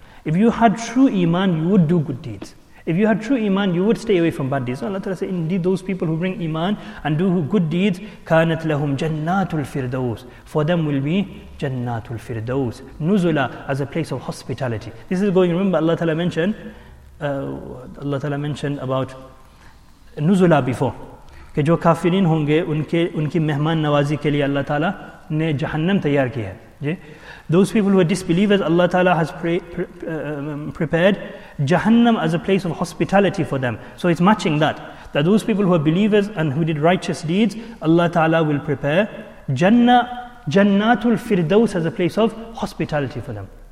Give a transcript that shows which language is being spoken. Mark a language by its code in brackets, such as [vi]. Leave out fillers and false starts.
[en] If you had true Iman, you would do good deeds. If you had true Iman, you would stay away from bad deeds. So Allah Ta'ala said, indeed those people who bring Iman and do good deeds, [ar] كَانَتْ لَهُمْ جَنَّاتُ الْفِرْدَوْسِ, [en] for them will be جَنَّاتُ الْفِرْدَوْسِ, نُزُلَ, as a place of hospitality. This is going, remember Allah Ta'ala mentioned, about نُزُلَ before. [ur] کہ جو کافرین ہوں گے ان کی مہمان نوازی کے لیے اللہ تعالیٰ نے جہنم تیار کیا ہے. [en] جی, those people who are disbelievers, Allah Ta'ala has prepared Jahannam as a place of hospitality for them. So it's matching that those people who are believers and who did righteous deeds, Allah Ta'ala will prepare Jannatul Firdaus as a place of hospitality for them.